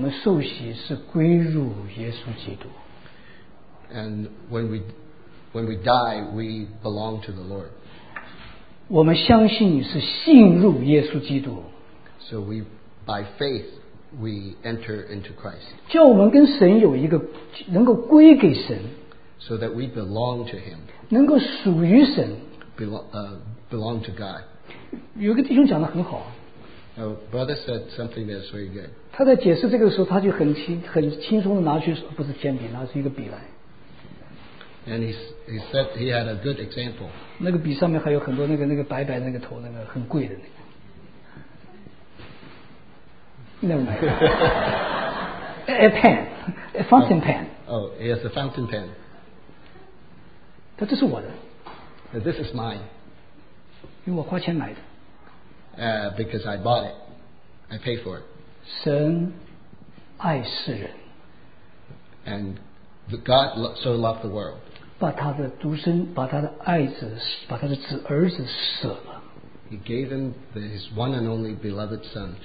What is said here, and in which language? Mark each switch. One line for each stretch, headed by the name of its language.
Chinese: 所以说今天叫我们在成圣的过程的里面，叫我们在成圣的根基的上面，知道原来我们受洗是归入耶稣基督。
English: And when we die, we belong to the Lord.
Chinese: 我们相信你是信入耶稣基督。
English: So we, by faith, we enter into Christ.
Chinese: 叫我们跟神有一个能够归给神。
English: So that we belong to Him.
Chinese: 能够属于神。
English: Belong to God.
Chinese: 有一个弟兄讲得很好。
English: A brother said something that's very good.
Chinese: 他在解释这个时候，他就很轻松地拿去，不是铅笔，拿出一个笔来。
English: And he said he had a good example.
Chinese: 那个笔上面还有很多那个白白那个头那个很贵的那个。
English: Never mind. A pen, a fountain pen. Oh, yes, a fountain pen.
Chinese: 但这是我的。
English: This is mine.
Chinese: 因为我花钱买的。
English: Because I bought it, I paid for it.
Chinese: 神爱世人。
English: And God so loved the world.
Chinese: 把他的独生，把他的爱子，把他的子儿子舍了。
English: He gave him his one and only beloved son.